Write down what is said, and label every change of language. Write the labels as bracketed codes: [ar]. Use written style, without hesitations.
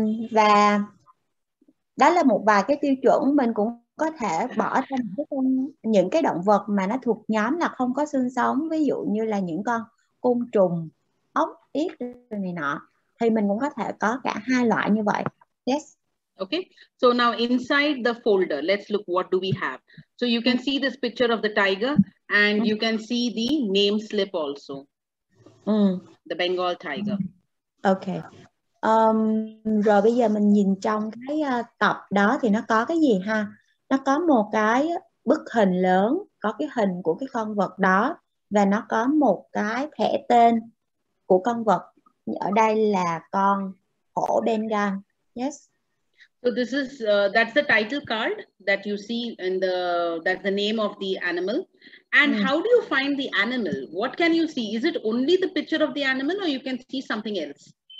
[vi] Và đó là một vài cái tiêu chuẩn. Mình cũng có thể bỏ thêm những cái động vật mà nó thuộc nhóm là không có xương sống, ví dụ như là những con côn trùng, ốc, ít này nọ, thì mình cũng có thể có cả hai loại như vậy. [en] Yes. Okay, so now inside the folder, let's look what do we have. So you can see this picture of the tiger and you can see the name slip also. The Bengal tiger. Okay. [vi] Rồi bây giờ mình nhìn trong cái tập đó thì nó có cái gì ha? Nó có một cái bức hình lớn, có cái hình của cái con vật đó, và nó có một cái thẻ tên của con vật. Ở đây là con hổ Bengal. Yes. [en] So this is that's the title card that you see in the, that's the name of the animal. And how do you find the animal? What can you see? Is it only the picture of the animal or you can see something else?